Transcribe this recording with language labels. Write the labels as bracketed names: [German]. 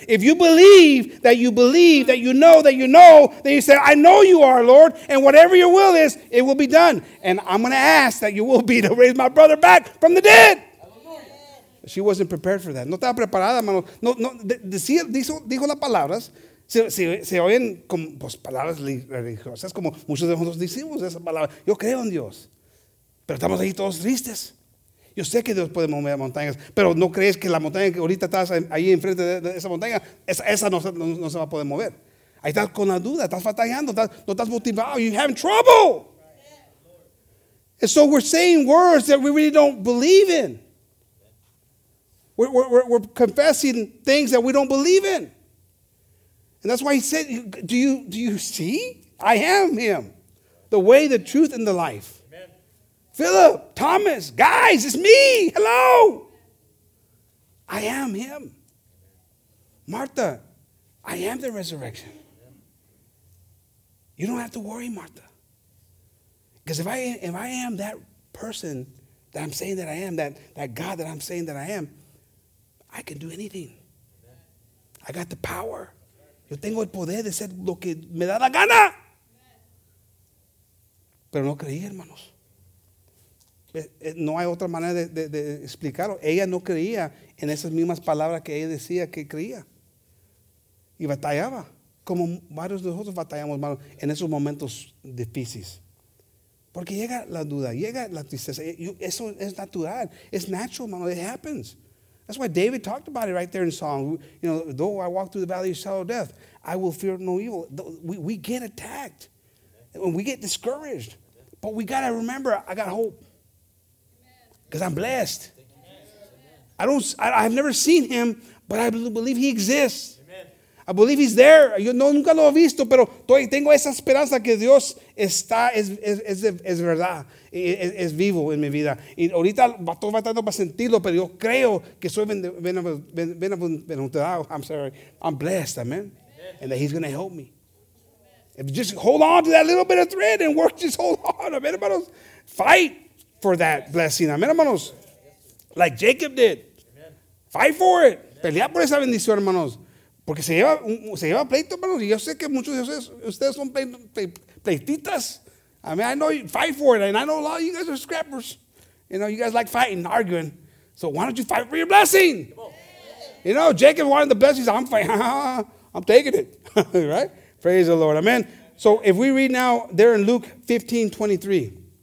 [English] If you believe that you believe, that you know, then you say, I know you are, Lord, and whatever your will is, it will be done. And I'm going to ask that you will be to raise my brother back from the dead. Hallelujah. She wasn't prepared for that. [Spanish] No estaba preparada, hermano. No, no, decía, dijo las palabras. Se oyen como palabras religiosas, como muchos de nosotros decimos esa palabra. Yo creo en Dios. Pero estamos ahí todos tristes. Yo sé que Dios puede mover montañas, pero no crees que la montaña que ahorita estás ahí enfrente de esa montaña, esa no se va a poder mover. Ahí estás con la duda, estás batallando, no estás motivado. [English] You're having trouble. And so we're saying words that we really don't believe in. We're confessing things that we don't believe in. And that's why he said, do you see? I am him. The way, the truth, and the life. Philip, Thomas, guys, it's me. Hello. I am him. Martha, I am the resurrection. You don't have to worry, Martha. Because if I am that person that I'm saying that I am, that God that I'm saying that I am, I can do anything. I got the power. [Spanish] Yo tengo el poder de hacer lo que me da la gana. Pero no creí, hermanos. No hay otra manera de explicarlo. Ella no creía en esas mismas palabras que ella decía que creía. Y batallaba. Como varios de nosotros batallamos, hermanos, en esos momentos difíciles. Porque llega la duda, llega la tristeza. Eso es natural. [English] It's natural, hermano. It happens. That's why David talked about it right there in Psalm. You know, though I walk through the valley of shadow of death, I will fear no evil. We get attacked. And we get discouraged. But we got to remember, I got hope. Because I'm blessed. I've never seen him, but I believe he exists. Amen. I believe he's there. [Spanish] Yo no, nunca lo he visto, pero tengo esa esperanza que Dios está, es verdad, es vivo en mi vida. Y ahorita estoy tratando para sentirlo, pero yo creo que soy bendecido. [English] I'm sorry. I'm blessed, amen. And that he's going to help me. If you just hold on to that little bit of thread and work, just hold on, amen, hermanos. Fight for that blessing. Amen, hermanos. Like Jacob did. Amen. Fight for it. [Spanish] Pelea por esa bendición, hermanos. Porque se lleva pleito, hermanos. Y yo sé que muchos de ustedes son pleititas. [English] I mean, I know you fight for it. And I know a lot of you guys are scrappers. You know, you guys like fighting, arguing. So why don't you fight for your blessing? You know, Jacob wanted the blessings. I'm fighting. I'm taking it. Right? Praise the Lord. Amen. So if we read now there in Luke 15:23.